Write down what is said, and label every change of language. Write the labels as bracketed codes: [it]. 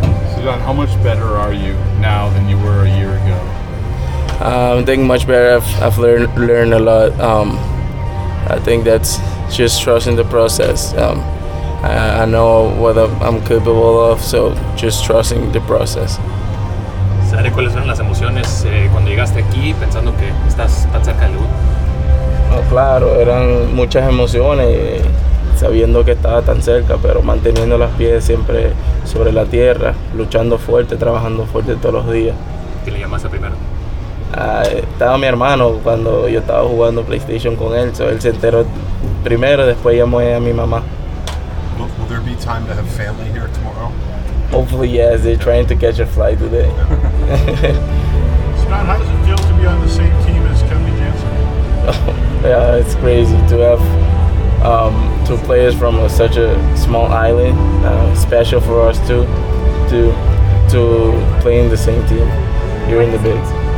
[en] Ceddanne, how much better are you now than you were a year ago? I think much better. I've learned a lot. I think that's just trusting the process. I know what I'm capable of, so just trusting the process. [es] ¿Sabes cuáles eran las emociones cuando llegaste aquí, pensando que estás tan cerca del debut? Claro, eran muchas emociones, sabiendo que estaba tan cerca, pero manteniendo las pies siempre sobre la tierra, luchando fuerte, trabajando fuerte todos los días. ¿Qué le llamaste primero? Estaba mi hermano cuando yo estaba jugando PlayStation con él, so él se enteró primero, después llamó a mi mamá. [en] Will there be time to have family here tomorrow? Hopefully yes, they're trying to catch a flight today. Scott, how does it feel to be on the same team as Kevin Jansen? Yeah, it's crazy to have two players from such a small island, special for us too, to play in the same team here in the bigs.